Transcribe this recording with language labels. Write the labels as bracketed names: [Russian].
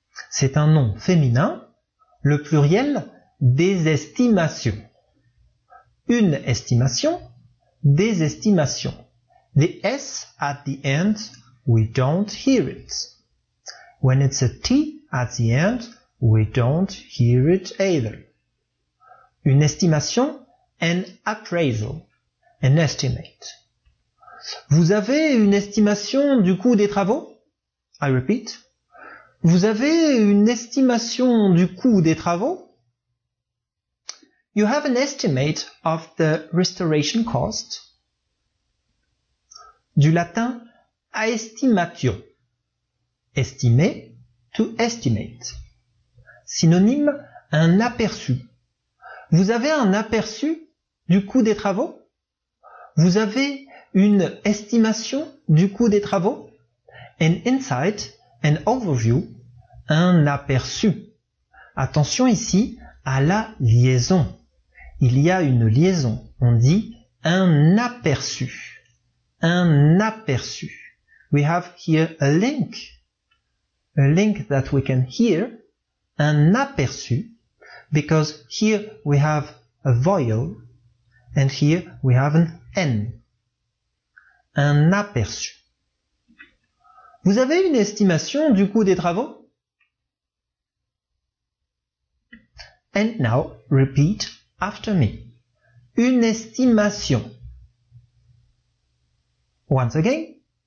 [French] C'est un nom féminin, le pluriel des estimations. Une estimation, des estimations. [English] The S at the end, we don't hear it. When it's a T at the end, we don't hear it either. [French] Une estimation, [English] an appraisal, an estimate. [French] Vous avez une estimation du coût des travaux? [English] I repeat. [French] Vous avez une estimation du coût des travaux? [English] You have an estimate of the restoration cost. [French] Du latin, estimatio. Estimer, [English] to estimate. [French] Synonyme, un aperçu. Vous avez un aperçu du coût des travaux? Vous avez une estimation du coût des travaux? [English] An insight, an overview, [French] un aperçu. Attention ici à la liaison. Il y a une liaison. On dit un aperçu. Un aperçu. [English] We have here a link. A link that we can hear. [French] Un aperçu. [English] Because here we have a vowel. And here we have an N. [French] un aperçu. Vous avez une estimation du coût des travaux? [English] And now, repeat after me. [French] Une estimation. [English] Once again.